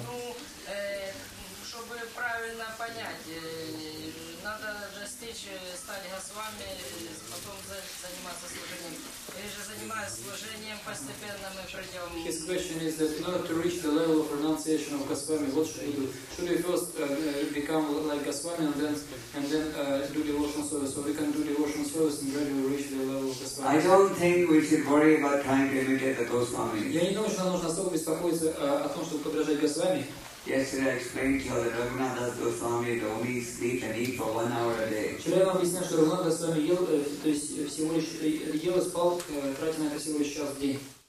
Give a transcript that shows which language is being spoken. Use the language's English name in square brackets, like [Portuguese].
[Russian] Ну, чтобы правильно понять, надо достичь стадия с вами, потом заниматься служением. Или же занимаясь служением, постепенно мы придем. [English] His question is that in order to reach the level of renunciation of Goswami, what should we do? Should we first become like Goswami and then do devotional service? Or we can do devotional service and gradually reach the level of Goswami? I don't think we should worry about trying to imitate the Goswami. [Russian] Я не думаю, что нам нужно особо беспокоиться о том, чтобы подражать Goswami. [English] Yesterday I explained to her that Raghunatha Goswami would only sleep and eat for 1 hour a day. [Russian] Вчера я объяснял, что Рагхунатха Госвами ел, то есть всего лишь ел и спал, тратя на это всего лишь час в день.